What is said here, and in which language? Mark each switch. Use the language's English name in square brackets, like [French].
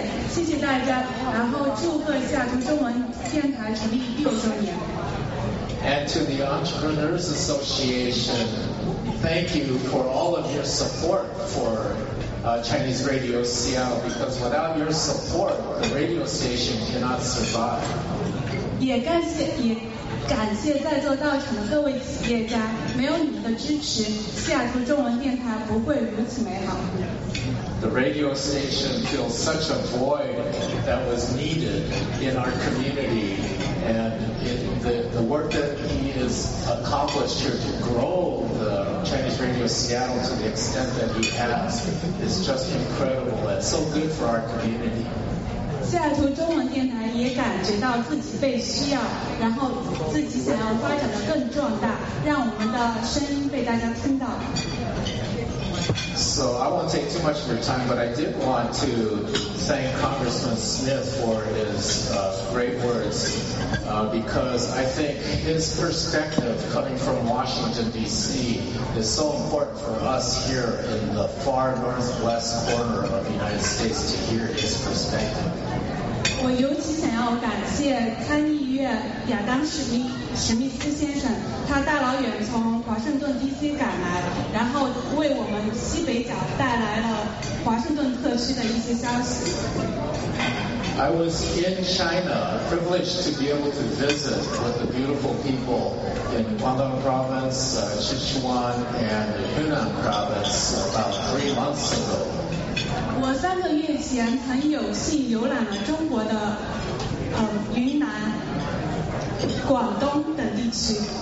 [Chinese] 谢谢大家，然后祝贺下图中文电台成立6周年。 [English] And to the Entrepreneurs Association, thank you for all of your support for Chinese Radio Seattle, because without your support, the radio station cannot survive. [Chinese] 也感谢在座到场的各位企业家，没有你们的支持，下图中文电台不会如此美好。 [English] The radio station fills such a void that was needed in our community, and the work that he has accomplished here to grow the Chinese Radio Seattle to the extent that he has is just incredible. It's so good for our community. [Chinese] 西雅图中文电台也感觉到自己被需要，然后自己想要发展得更壮大。声音被大家听到。 [English] So I won't take too much of your time, but I did want to thank Congressman Smith for his great words, because I think his perspective coming from Washington, D.C. is so important for us here in the far northwest corner of the United States to hear his perspective. [Chinese] 我尤其想要感谢参议院亚当史密斯先生，他大老远从华盛顿 D.C. 赶来，然后为我们西北角带来了华盛顿特区的一些消息。 [English] I was in China, privileged to be able to visit with the beautiful people in Guangdong Province, Sichuan, and Hunan Province about 3 months ago. [Chinese] 我三个月前曾有幸游览了中国的云南、广东等地区。